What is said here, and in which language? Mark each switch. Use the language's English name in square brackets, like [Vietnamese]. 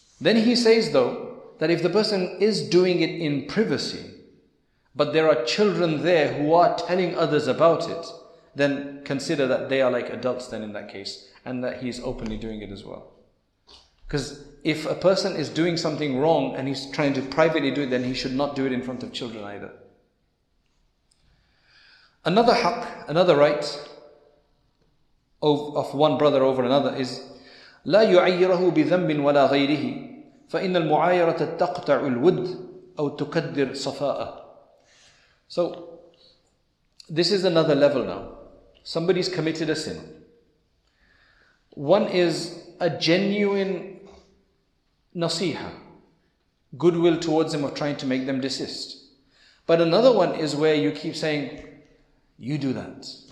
[English] Then he says though, that if the person is doing it in privacy, but there are children there who are telling others about it, then consider that they are like adults then in that case, and that he's openly doing it as well. Because if a person is doing something wrong and he's trying to privately do it, then he should not do it in front of children either. Another haq, another right of one brother over another is, [Arabic] لا يعيره بذنب ولا غيره فإن المعايرة تقطع الود أو تكدر صفاء. [English] So, this is another level now. Somebody's committed a sin. One is a genuine nasiha, goodwill towards them of trying to make them desist. But another one is where you keep saying, you do that.